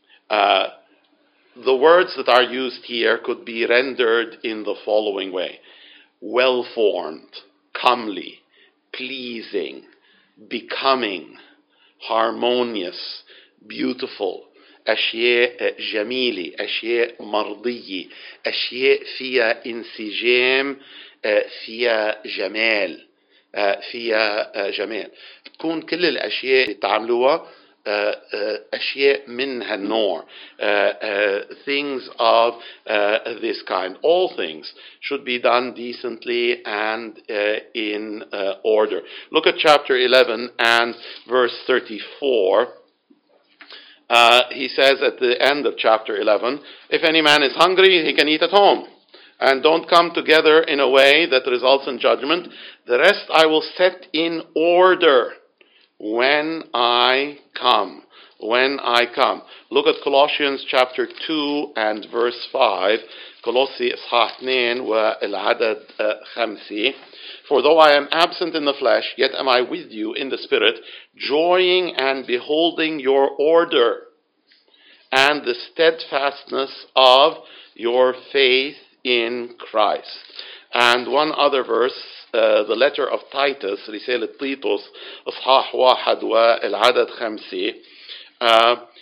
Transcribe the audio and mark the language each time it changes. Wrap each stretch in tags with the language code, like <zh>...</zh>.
<en>The words that are used here could be rendered in the following way: well-formed, comely, pleasing, becoming, harmonious, beautiful,</en> <ar>أشياء جميلة, أشياء مرضية, أشياء فيها انسجام, فيها جمال,</ar> <en>فيها جمال.</en> <ar>تكون كل الأشياء اللي تعملوها أشياء من هالنوع.</ar> <en>Things of this kind. All things should be done decently and in order. Look at chapter 11 and verse 34. He says at the end of chapter 11, if any man is hungry, he can eat at home. And don't come together in a way that results in judgment. The rest I will set in order when I come. When I come. Look at Colossians chapter 2 and verse 5.</en> <ar>Colossi إصحاح 2 والعدد 5.</ar> <en>For though I am absent in the flesh, yet am I with you in the spirit, joying and beholding your order and the steadfastness of your faith in Christ. And one other verse, the letter of Titus,</en> <ar>رسالة تيتوس, إصحاح 1 والعدد 5.</ar>